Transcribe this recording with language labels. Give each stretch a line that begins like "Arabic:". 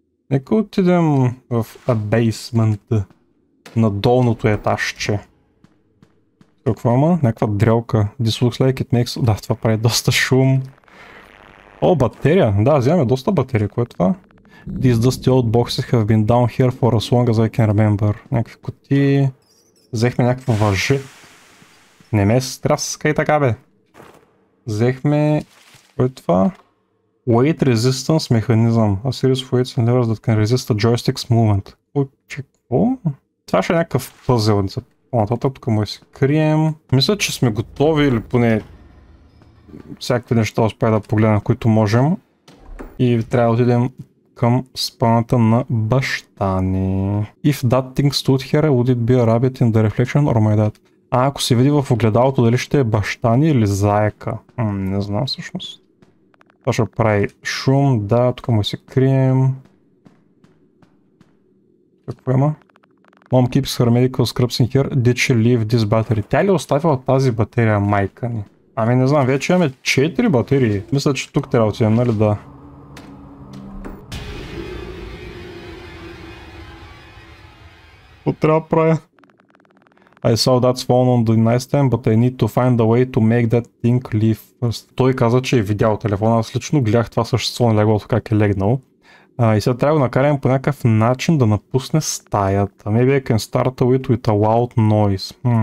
Bulgarian: Нека отидем в basement на долното етажче. Какво има? Някаква дрелка.
English: This looks like it makes...
Bulgarian: Да, това прави доста шум. О, батерия. Да, вземаме доста батерия. Кое е това?
English: These dusty old boxes have been down here for as long as I can remember.
Bulgarian: Някакви кутии. Взехме някакво въже. Не ме страска и така, бе. Взехме... Кое е това?
English: Weight resistance mechanism. A series of weights and levers that can resist a joystick's movement.
Bulgarian: Ой, че какво? Това ще е някакъв пъзел. Нататък тук му се крием. Мисля, че сме готови или поне всякакви неща успея да погледна, които можем. И трябва да отидем към спаната на баща ни.
English: If that thing stood here, would it be a rabbit in the reflection or my dad?
Bulgarian: А ако се види в огледалото, дали ще е баща ни или заека? Не знам всъщност. Това ще прави шум, да, тук му се крием. Какво има?
English: Mom keeps her medical scrubs in here. Did she leave this battery?
Bulgarian: Тя ли оставила тази батерия, майка ни? Ами не знам, вече имаме 4 батерии. Мисля, че тук трябва да отидем, нали да? Какво трябва да правя?
English: I saw that phone on the nightstand, but I need to find a way to make that thing leave.
Bulgarian: Той каза, че е видял телефона, аз лично гледах това същество на леглото как е легнал. И сега трябва да накараме по някакъв начин да напусне стаята.
English: Maybe I can start a little with a loud noise.